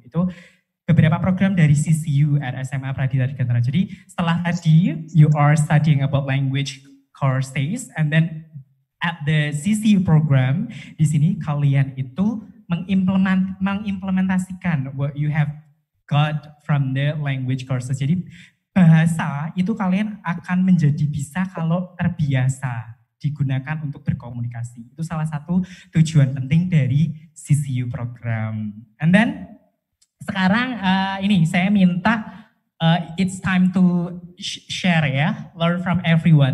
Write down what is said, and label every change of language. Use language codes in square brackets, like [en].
[id] Itu beberapa program dari CCU at SMA Pradita Dirgantara. Jadi setelah tadi [en] you are studying about language courses, and then at the CCU program, [id] di sini kalian itu mengimplementasikan [en] what you have got from the language courses. [id] Jadi bahasa itu kalian akan menjadi bisa kalau terbiasa. digunakan untuk berkomunikasi. Itu salah satu tujuan penting dari CCU program. [en] And then [id] sekarang ini saya minta [en] it's time to share ya, learn from everyone.